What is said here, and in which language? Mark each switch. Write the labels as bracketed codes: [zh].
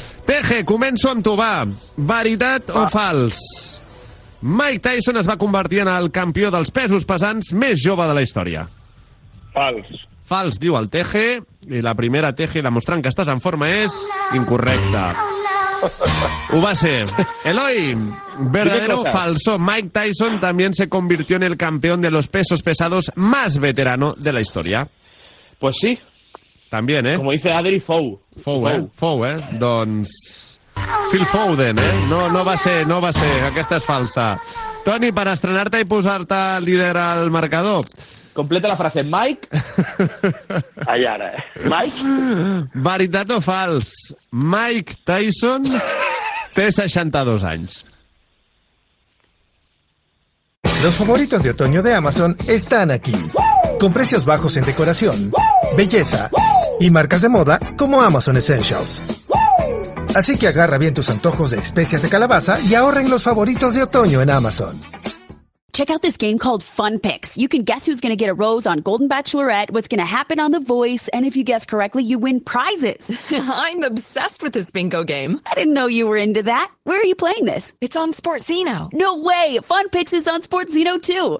[ca] Peje, començo amb tu, va. Veritat o fals? Mike Tyson es va convertir en el campió dels pesos pesants més jove de la història. Fals. Fals, diu el Teje, i la primera Teje demostrant que estàs en forma és incorrecta. Ho va ser. [es] Eloi, verdadero o falso, Mike Tyson también se convirtió en el campeón de los pesos pesados más veterano de la historia. Pues sí. También, ¿eh? Como dice Adri, Fou. [ca] Fou, ¿eh? Doncs... Phil Foden, ¿eh? No va ser, aquesta és falsa. Toni, per estrenar-te i posar-te líder al marcador... Completa la frase, Mike. Allà ara, Mike. Veritat o fals? Mike Tyson té 62 anys. [es] Los favoritos de otoño de Amazon están aquí. Con precios bajos en decoración, belleza y marcas de moda como Amazon Essentials. Así que agarra bien tus antojos de especias de calabaza y ahorren los favoritos de otoño en Amazon. [en] Check out this game called Fun Picks. You can guess who's going to get a rose on Golden Bachelorette, what's going to happen on The Voice, and if you guess correctly, you win prizes. I'm obsessed with this bingo game. I didn't know you were into that. Where are you playing this? It's on Sportzeno. No way! Fun Picks is on Sportzeno, too.